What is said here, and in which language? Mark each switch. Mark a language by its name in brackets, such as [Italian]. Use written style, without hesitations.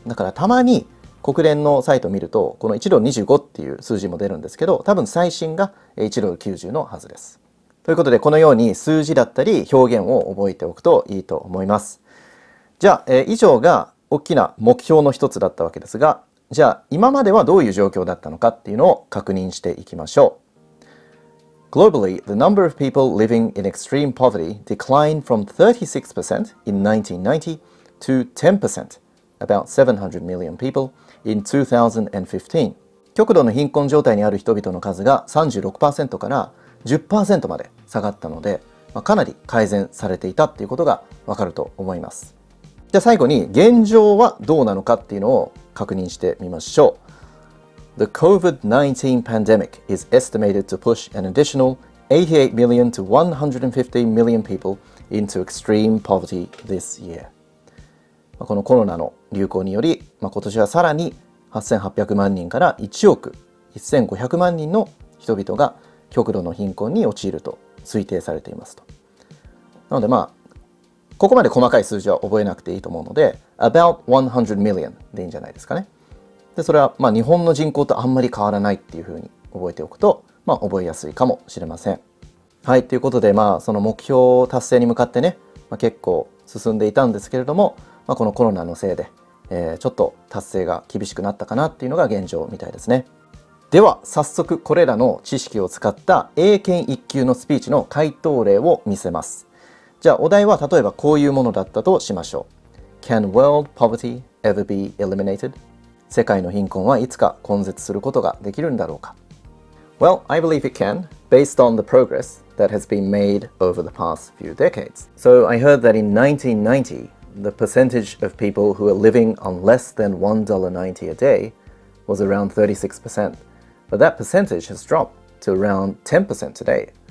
[Japanese] だからたまに国連のサイトを見ると、この$1.25っていう数字も出るんですけど、多分最新が$1.90のはずです。ということで、このように数字だったり表現を覚えておくといいと思います。じゃあ、以上が大きな目標の一つだったわけですが、じゃあ今まではどういう状況だったのかっていうのを確認していきましょう。 [English] Globally, the number of people living in extreme poverty declined from 36% in 1990 to 10%, about 700 million people, in 2015. [Japanese] 極度の貧困状態にある人々の数が 36% から 10% まで下がったので、まあ、かなり改善されていたっていうことがわかると思います。じゃあ最後に現状はどうなのかっていうのを確認してみましょう。 [English] The COVID-19 pandemic is estimated to push an additional 88 million to 150 million people into extreme poverty this year。 [Japanese] このコロナの流行により、まあ、今年はさらに8800万人から1億1500万人の人々が極度の貧困に陥ると推定されていますと。なのでまあここまで細かい数字は覚えなくていいと思うので [English] About 100 million [Japanese] でいいんじゃないですかね。で、それはまあ日本の人口とあんまり変わらないっていうふうに覚えておくと、まあ、覚えやすいかもしれません。はい、ということで、まあ、その目標達成に向かってね、まあ、結構進んでいたんですけれども、まあ、このコロナのせいで、ちょっと達成が厳しくなったかなっていうのが現状みたいですね。では早速これらの知識を使った英検一級のスピーチの回答例を見せます。じゃあお題は例えばこういうものだったとしましょう。 [English] Can world poverty ever be eliminated? [Japanese] 世界の貧困はいつか根絶することができるんだろうか。 [English] Well, I believe it can, based on the progress that has been made over the past few decades. So I heard that in 1990, the percentage of people who were living on less than $1.90 a day was around 36%. But that percentage has dropped to around 10% today.